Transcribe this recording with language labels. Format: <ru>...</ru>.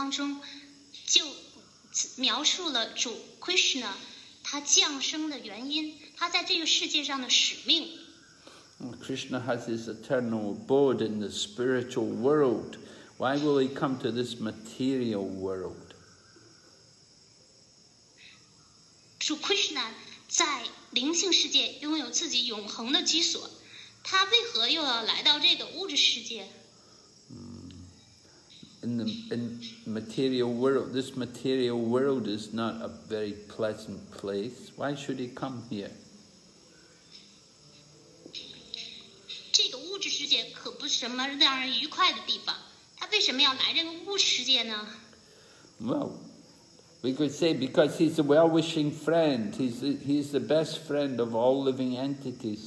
<zh>在圣典博加瓦坛当中，就描述了主 Krishna 他降生的原因，他在这个世界上的使命。</zh> <en>Krishna has his eternal abode in the spiritual world. Why will he come to this material world?</en> <zh>主 Krishna 在灵性世界拥有自己永恒的居所，他为何又要来到这个物质世界？</zh> <en>In material world, this material world is not a very pleasant place. Why should he come here?</en> <zh>这个物质世界可不是什么让人愉快的地方。他为什么要来这个物质世界呢？</zh> <en>Well, we could say because he's a well-wishing friend. He's the best friend of all living entities.</en>